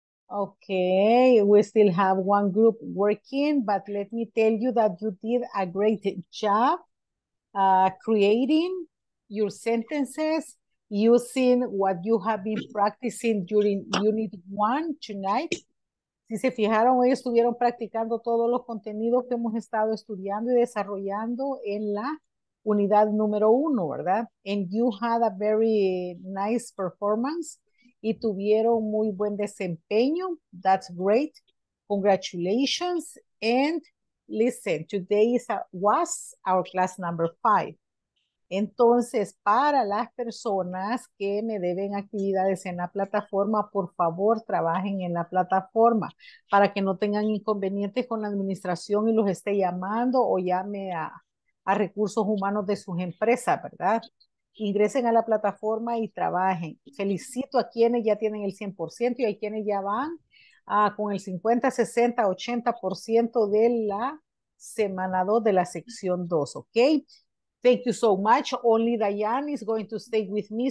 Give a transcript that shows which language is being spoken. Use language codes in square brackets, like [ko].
[en] Okay, we still have one group working, but let me tell you that you did a great job creating your sentences using what you have been practicing during Unit 1 tonight. [es] Si se fijaron, hoy estuvieron practicando todos los contenidos que hemos estado estudiando y desarrollando en la unidad número 1, ¿verdad? [en] And you had a very nice performance. [es] Y tuvieron muy buen desempeño. [en] That's great. Congratulations. And listen, today was our class number 5. [es] Entonces, para las personas que me deben actividades en la plataforma, por favor, trabajen en la plataforma para que no tengan inconvenientes con la administración y los esté llamando o llame a recursos humanos de sus empresas, ¿verdad? Ingresen a la plataforma y trabajen. Felicito a quienes ya tienen el 100% y a quienes ya van con el 50, 60, 80% de la semana 2 de la sección 2, ¿ok? [en] Thank you so much. Only Diane is going to stay with me.